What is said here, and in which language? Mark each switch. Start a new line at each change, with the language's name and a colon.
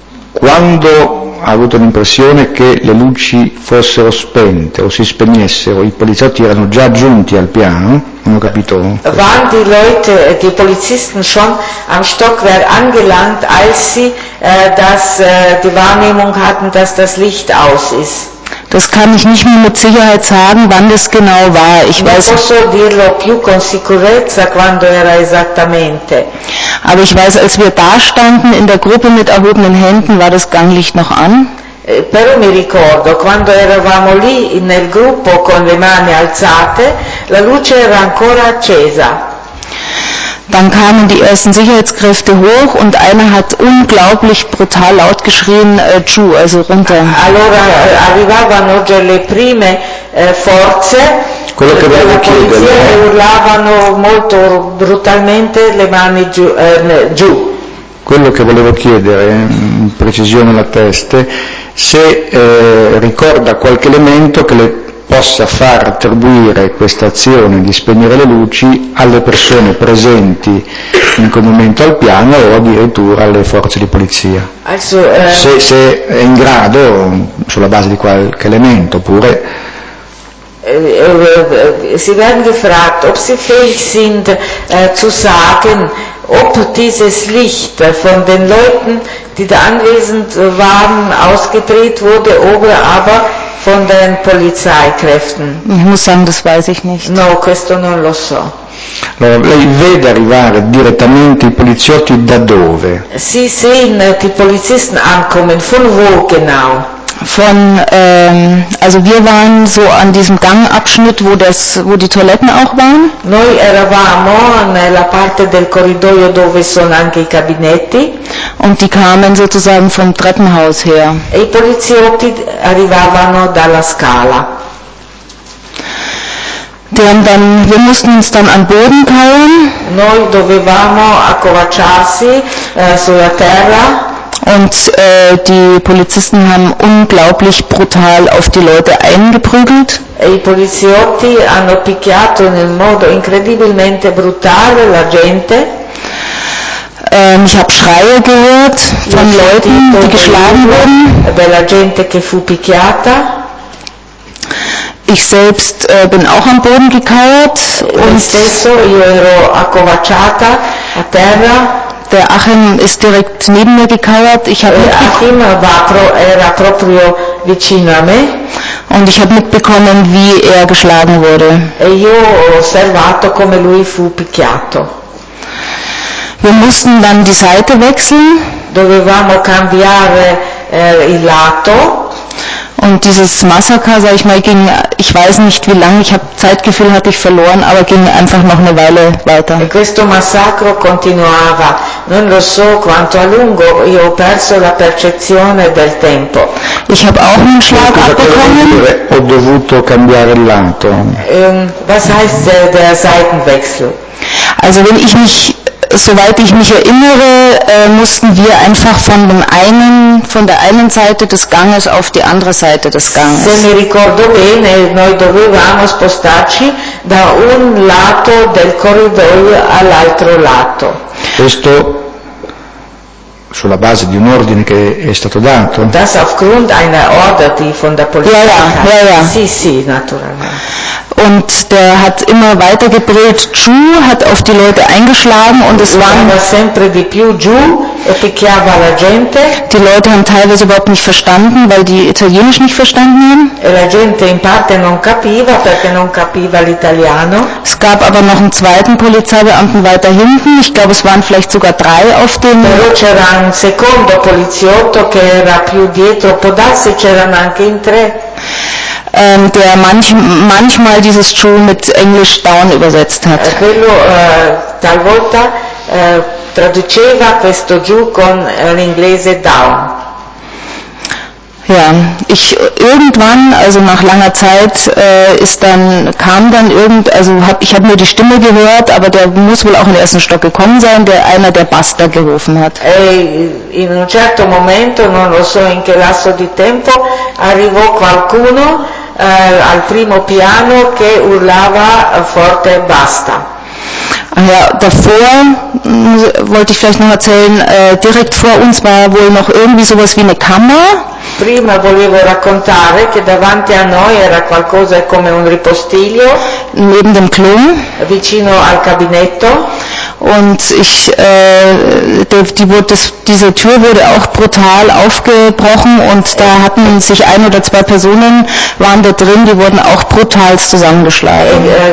Italian: Quando ha avuto l'impressione che le luci fossero spente o si spegnessero, i poliziotti erano già giunti al piano, non ho capito.
German: Waren die Leute, die Polizisten schon am Stockwerk angelangt, als sie die Wahrnehmung hatten, dass das Licht aus ist? Das kann ich nicht mehr mit Sicherheit sagen, wann das genau war. Ich weiß.
Italian: Non posso dirlo più con sicurezza quando era esattamente.
German: Aber ich weiß, als wir da standen in der Gruppe mit erhobenen Händen, war das Ganglicht noch an.
Italian: Però mi ricordo quando eravamo lì nel gruppo con le mani alzate, la luce era ancora accesa.
German: Dann kamen die ersten Sicherheitskräfte hoch und einer hat unglaublich brutal laut geschrien, giù, also runter.
Italian: Allora arrivavano già le prime forze. Quello che volevo chiedere. E urlavano molto brutalmente le mani giù, giù. Quello che volevo chiedere, in precisione la teste, se ricorda qualche elemento che le possa far attribuire questa azione di spegnere le luci alle persone presenti in quel momento al piano o addirittura alle forze di polizia.
German: Also,
Italian: se è in grado, sulla base di qualche elemento, oppure.
German: Sie werden gefragt, ob sie fähig sind zu sagen, ob dieses Licht von den Leuten, die da anwesend waren, ausgedreht wurde oder aber von den Polizeikräften. Ich muss sagen, das weiß ich nicht.
Italian: No, questo non lo so. Allora, lei vede arrivare direttamente i poliziotti da dove?
German: Sie sehen die Polizisten ankommen. Von wo genau? Von, also wir waren so an diesem Gangabschnitt, wo die Toiletten auch waren.
Italian: Noi eravamo nella parte del corridoio dove sono anche i cabinetti.
German: Und die kamen sozusagen vom Treppenhaus her.
Italian: E i poliziotti arrivavano dalla scala.
German: Wir mussten uns dann am Boden kauen.
Italian: Noi dovevamo accovacciarsi sulla terra.
German: Und die Polizisten haben unglaublich brutal auf die Leute eingeprügelt.
Italian: I poliziotti hanno picchiato in modo incredibilmente brutale la gente.
German: Ich habe Schreie gehört von Leuten, die geschlagen wurden.
Italian: Della gente che fu picchiata.
German: Ich selbst bin auch am Boden gekauert.
Italian: Und stesso io ero accovacciata a terra.
German: Der Achim ist direkt neben mir gekauert. Ich habe
Italian: era proprio vicino a me.
German: Und ich habe mitbekommen, wie er geschlagen wurde.
Italian: E io ho osservato come lui fu picchiato.
German: Wir mussten dann die Seite wechseln.
Italian: Dovevamo cambiare il lato.
German: Und dieses Massaker, sag ich mal, ging, ich weiß nicht wie lange, ich habe Zeitgefühl hatte ich verloren, aber ging einfach noch eine Weile weiter.
Italian: E questo massacro continuava. Non lo so quanto a lungo, io ho perso la percezione del tempo.
German: Ich habe auch einen Schlag abbekommen.
Italian: Ho dovuto cambiare il lato.
German: Was heißt der Seitenwechsel? Also wenn ich mich, soweit ich mich erinnere, mussten wir einfach von der einen Seite des Ganges auf die andere Seite des Ganges. Se mi ricordo bene, noi dovevamo spostarci da un lato del corridoio all'altro lato.
Italian: Questo sulla base di un ordine che è stato dato?
German: Das aufgrund einer Order, die von der Polizei kam. Ja.
Italian: Sì, sì, naturalmente.
German: Und der hat immer weiter gebrüllt, giù, hat auf die Leute eingeschlagen und es waren
Italian: sempre di più giù e picchiava la gente.
German: Die Leute haben teilweise überhaupt nicht verstanden, weil die Italienisch nicht verstanden haben.
Italian: E la gente in parte non capiva perché non capiva l'italiano.
German: Es gab aber noch einen zweiten Polizeibeamten weiter hinten. Ich glaube, es waren vielleicht sogar drei auf dem.
Italian: Però c'era un secondo poliziotto che era più dietro. Può darsi c'erano anche in tre.
German: Der manchmal dieses Jew mit Englisch down übersetzt hat.
Italian: Quello talvolta traduceva questo Jew con l'inglese down.
German: Ja, ich irgendwann, also nach langer Zeit, habe nur die Stimme gehört, aber der muss wohl auch in den ersten Stock gekommen sein, der einer der Basta gerufen hat.
Italian: E in un certo momento, non lo so in che lasso di tempo, arrivò qualcuno al primo piano che urlava forte Basta.
German: Ja, davor wollte ich vielleicht noch erzählen, direkt vor uns war wohl noch irgendwie sowas wie eine Kammer.
Italian: Prima volevo raccontare che davanti a noi era qualcosa come un ripostiglio.
German: Neben dem Klo.
Italian: Vicino al cabinetto.
German: Und ich, diese Tür wurde auch brutal aufgebrochen und da hatten sich ein oder zwei Personen, waren da drin, die wurden auch brutal zusammengeschlagen.